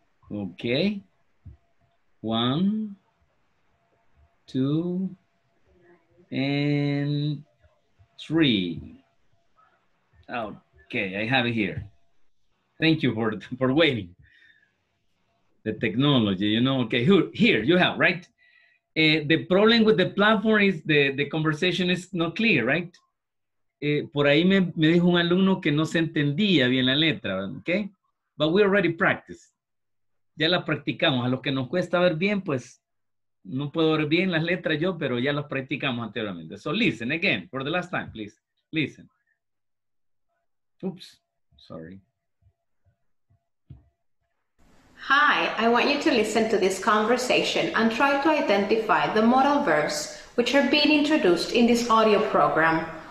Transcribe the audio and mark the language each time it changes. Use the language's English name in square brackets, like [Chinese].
[English] Okay. One, two, and three. Okay, I have it here. Thank you for waiting. The technology, you know, okay, here you have, right? The problem with the platform is the conversation is not clear, right? [Spanish] Por ahí me dijo un alumno que no se entendía bien la letra, okay? [English] But we already practiced. [Spanish] Ya la practicamos. A los que nos cuesta ver bien, pues no puedo ver bien las letras yo, pero ya las practicamos anteriormente. [English] So listen again, for the last time, please. Listen. Oops, sorry. Hi, I want you to listen to this conversation and try to identify the modal verbs which are being introduced in this audio program.